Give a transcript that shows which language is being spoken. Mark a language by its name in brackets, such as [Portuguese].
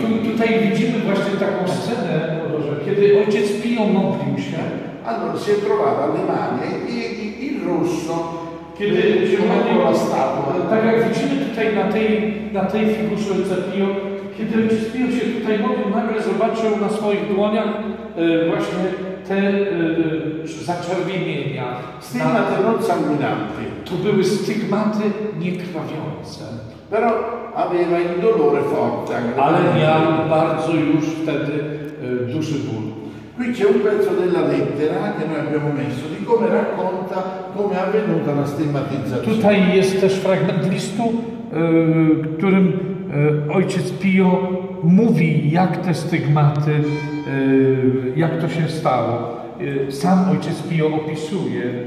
[Polish] Tutaj widzimy właśnie taką scenę, kiedy ojciec Pio modlił się. [Italian] Allora si è trovato alle mani il rosso. [Polish] Kiedy się modlił, tak jak widzimy tutaj na tej figurze ojca Pio, kiedy ojciec Pio się tutaj modlił, nagle zobaczył na swoich dłoniach właśnie te zaczerwienienia. [Italian] Stygmaty non sanguinanti. [Polish] To były stygmaty niekrwawiące. [Italian] Però aveva il dolore forte. [Polish] Ale miał bardzo już wtedy duży ból. [Italian] Qui c'è un pezzo della lettera che noi abbiamo messo di come racconta come è avvenuta la stigmatizzazione. [Polish] Tutaj jest też fragment listu, którym ojciec Pio mówi, jak te stygmaty, jak to się stało. Sam ojciec Pio opisuje.